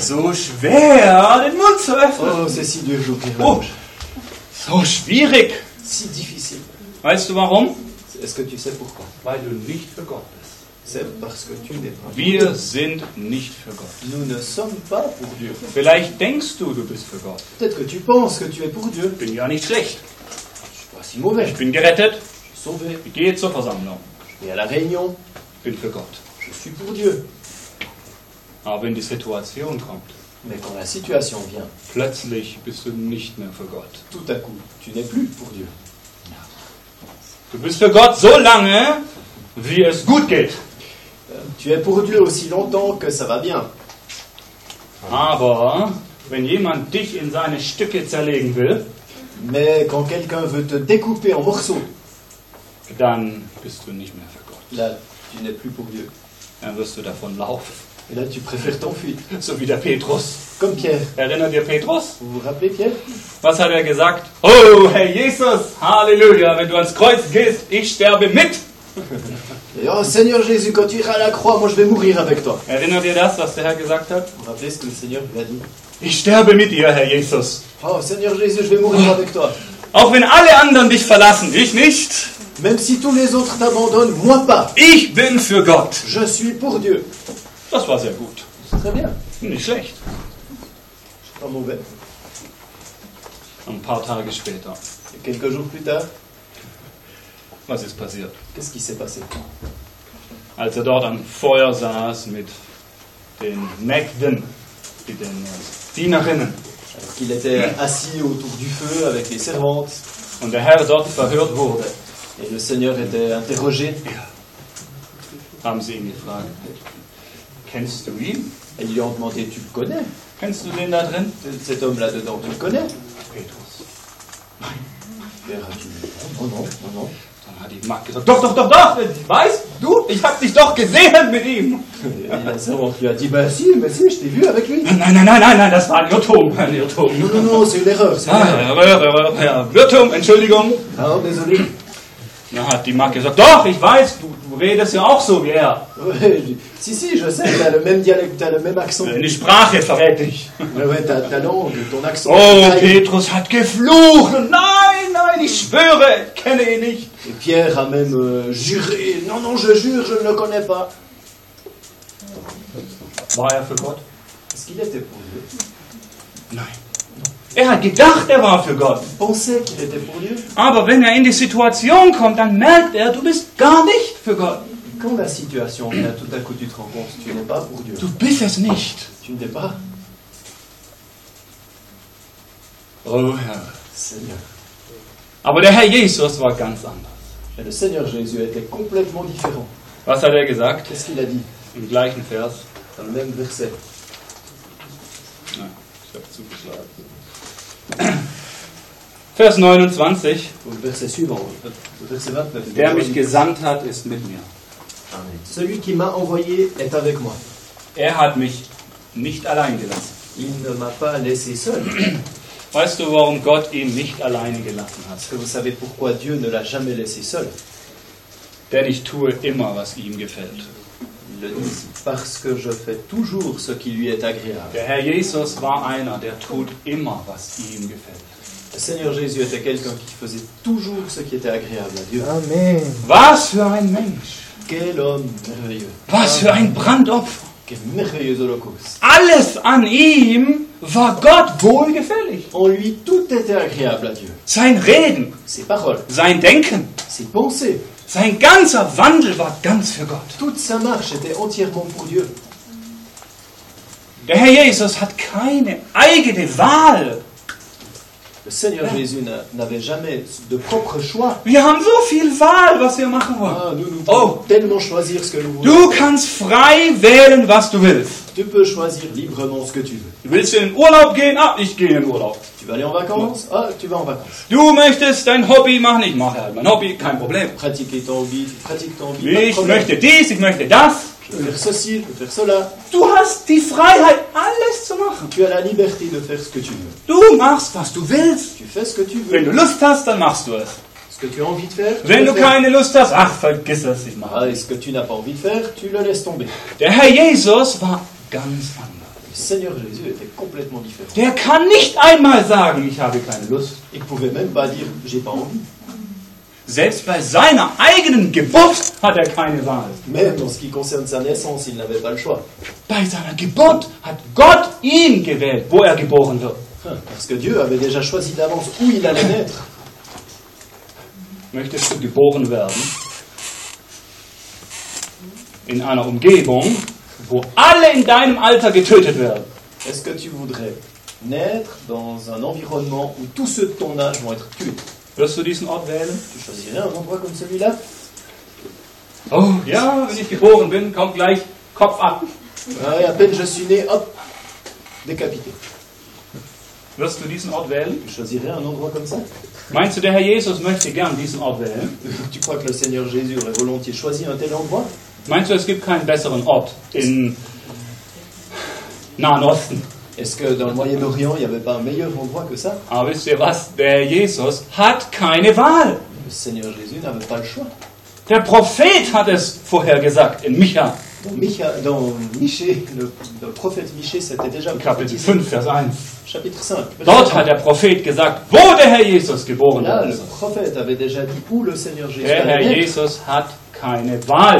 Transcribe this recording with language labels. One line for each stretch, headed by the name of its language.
German: So schwer, den Mund zu öffnen.
French: Oh, c'est si dur, j'ouvre la bouche.
German: So schwierig.
French: Si difficile.
German: Weißt du warum?
French: Est-ce que tu sais pourquoi?
German: Weil du nicht für Gott bist.
French: C'est parce que tu n'es pas.
German: Wir sind nicht für Gott.
French: Nous ne sommes pas pour Dieu.
German: Vielleicht denkst du, du bist für Gott.
French: Peut-être que tu penses que tu es pour Dieu.
German: Bin ja nicht schlecht.
French: Je suis pas si mauvais.
German: Ich bin gerettet.
French: Je suis sauvé.
German: Ich gehe zur Versammlung.
French: Je vais à la réunion.
German: Bin für Gott.
French: Je suis pour Dieu.
German: Aber wenn die Situation kommt.
French: Mais quand la situation vient.
German: Plötzlich bist du nicht mehr für Gott.
French: Tout à coup, tu n'es plus pour Dieu.
German: Du bist für Gott so lange, wie es gut geht.
French: Tu es pour Dieu aussi longtemps que ça va bien.
German: Aber wenn jemand dich in seine Stücke zerlegen will,
French: mais quand quelqu'un veut te découper en morceaux,
German: dann bist du nicht mehr für Gott.
French: Là, tu n'es plus pour Dieu.
German: Dann wirst du davon laufen.
French: Et là, tu préfères t'enfuir.
German: So wie der Petrus.
French: Comme Pierre.
German: Erinnert ihr Petrus?
French: Vous vous rappelez Pierre?
German: Was hat gesagt? Oh, hey Jesus, Halleluja, wenn du ans Kreuz gehst, ich sterbe mit.
French: Et oh Seigneur Jésus, quand tu iras à la croix, moi je vais mourir avec toi.
German: Erinnerst du das, was der Herr gesagt hat?
French: Vous rappelez ce que le Seigneur lui a dit?
German: Ich sterbe mit dir, Herr Jesus.
French: Oh Seigneur Jésus, je vais mourir avec toi.
German: Auch wenn alle anderen dich verlassen, ich nicht.
French: Même si tous les autres t'abandonnent, moi pas.
German: Ich bin für Gott.
French: Je suis pour Dieu.
German: Das war sehr gut.
French: Très bien.
German: Nicht schlecht.
French: Je suis pas mauvais.
German: Ein paar Tage später.
French: Et quelques jours plus tard.
German: Was ist passiert?
French: Qu'est-ce qui s'est passé?
German: Als er dort am Feuer saß mit den Mägden, mit den Dienerinnen.
French: Alors qu'il était assis autour du feu avec les servantes.
German: Und der Herr dort verhört wurde.
French: Et le Seigneur était interrogé.
German: Ja. Haben sie ihn gefragt. Kennst du ihn?
French: Et ils lui ont demandé, tu le connais?
German: Kennst du den da drin?
French: Cet homme là-dedans, tu le connais?
German: Petrus. Nein.
French: Oh non, oh non.
German: Ah, die mag gesagt, doch, weißt du, ich hab dich doch gesehen mit ihm. Ja, die hat gesagt, si, ich
French: t'ai vu avec lui.
German: Nein, das war ein Irrtum.
French: Non, c'est une erreur. Erreur.
German: Irrtum, Entschuldigung.
French: Ah, désolé.
German: Na, hat die Marc gesagt, doch, ich weiß, du redest ja auch so wie er.
French: Si, je sais, t'as le même dialecte, t'as le même accent.
German: Die Sprache verrät dich.
French: Ouais, ta langue, ton accent.
German: Oh, Petrus hat geflucht. Nein, ich schwöre, kenne ihn nicht.
French: Et Pierre a même juré. Non, je jure, je ne le connais pas.
German: War er für Gott?
French: Est-ce qu'il était pour Dieu?
German: Nein. Er hat gedacht, er war für Gott.
French: Pensait qu'il était pour Dieu.
German: Aber wenn er in die Situation kommt, dann merkt er, du bist gar nicht für Gott.
French: Quand la situation vient, tout à coup tu te rends compte, tu n'es pas pour Dieu.
German: Du bist es nicht.
French: Tu n'es pas.
German: Oh Herr.
French: Seigneur.
German: Aber der Herr Jesus war ganz anders.
French: Et le Seigneur Jésus était complètement différent.
German: Was hat er gesagt?
French: Qu'est-ce qu'il a dit?
German: Im gleichen Vers.
French: Dans le même verset.
German: Nein, ich habe zugeschlagen. Vers 29.
French: Verset suivant. Verset 29.
German: Der mich gesandt hat, ist mit mir. Amen.
French: Celui qui m'a envoyé est avec moi.
German: Er hat mich nicht allein gelassen.
French: Il ne m'a pas laissé seul.
German: Weißt du, warum Gott ihn nicht alleine gelassen hat?
French: Vous savez pourquoi Dieu ne l'a jamais laissé seul?
German: Denn ich tue immer, was ihm gefällt.
French: Parce que je fais toujours ce qui lui est agréable.
German: Der Herr Jesus war einer, der tut immer, was ihm gefällt.
French: Le Seigneur Jésus était quelqu'un qui faisait toujours ce qui était agréable à Dieu. Amen.
German: Was für ein Mensch.
French: Quel homme merveilleux.
German: Was für ein Brandopfer.
French: Quel merveilleux holocauste.
German: Alles an ihm war Gott wohlgefällig.
French: En lui, tout était agréable à Dieu.
German: Sein Reden.
French: Ses paroles.
German: Sein Denken.
French: Ses pensées.
German: Sein ganzer Wandel war ganz für Gott.
French: Toute sa marche était entièrement pour Dieu.
German: Der Herr Jesus hat keine eigene Wahl.
French: Le Seigneur Jésus n'avait jamais de propre choix.
German: Wir haben so viel Wahl, was wir machen wollen.
French: Ah, nous pouvons tellement choisir ce que nous voulons.
German: Du kannst frei wählen, was du willst.
French: Tu peux choisir librement ce que tu veux.
German: Willst du in Urlaub gehen? Ah, ich gehe in Urlaub.
French: Tu vas aller en vacances? Ah, tu vas en vacances.
German: Du möchtest dein Hobby machen? Ich mache halt mein Hobby, kein Problem.
French: Pratiquer ton hobby, pratique ton hobby.
German: Ich möchte dies, ich möchte das.
French: Je peux faire ceci, je peux faire cela.
German: Du hast die Freiheit, alles zu machen.
French: Tu as la liberté de faire ce que tu veux.
German: Du machst, was du willst.
French: Tu fais ce que tu veux.
German: Wenn du Lust hast, dann machst du es.
French: Ce que tu as envie de faire, tu
German: Wenn du keine Lust hast, ach, vergiss es, ich mache es.
French: Ah, ce que tu n'as pas envie de faire, tu le laisses tomber.
German: Der Herr Jesus war ganz anders.
French: Le Seigneur Jésus était complètement différent.
German: Der kann nicht einmal sagen, ich habe keine Lust.
French: Il pouvait même pas dire, j'ai pas envie.
German: Selbst bei seiner eigenen Geburt hat er keine Wahl.
French: Même en ce qui concerne sa naissance, il n'avait pas le choix.
German: Bei seiner Geburt hat Gott ihn gewählt, wo er geboren wird.
French: Parce que Dieu avait déjà choisi d'avance où il allait naître.
German: Möchtest du geboren werden in einer Umgebung, wo alle in deinem Alter getötet werden?
French: Est-ce que tu voudrais naître dans un environnement où tous ceux de ton âge vont être tués?
German: Würdest du diesen Ort wählen?
French: Tu choisirais un endroit comme celui-là?
German: Oh, ja, wenn ich geboren bin, kommt gleich Kopf ab.
French: Ah, à peine je suis né, hop, décapité.
German: Würdest du diesen Ort wählen?
French: Tu choisirais un endroit comme ça?
German: Meinst du, der Herr Jesus möchte gern diesen Ort wählen?
French: Tu crois que le Seigneur Jésus aurait volontiers choisi un tel endroit?
German: Meinst du, es gibt keinen besseren Ort im Nahen Osten?
French: Est-ce que dans le Moyen-Orient, il n'y avait pas un meilleur endroit que ça?
German: Ah, wisst ihr was? Der Jesus hat keine Wahl.
French: Le Seigneur Jésus n'avait pas le choix.
German: Der Prophet hat es vorher gesagt, in Micha.
French: Dans Miché, le prophète Miché, c'était déjà...
German: Kapitel 5, Vers 1.
French: Chapitre 5.
German: Dort hat der Prophet gesagt, wo der Herr Jesus geboren wurde.
French: Le prophète avait déjà dit où le Seigneur Jésus allait naître.
German: Der Herr Jesus hat keine Wahl.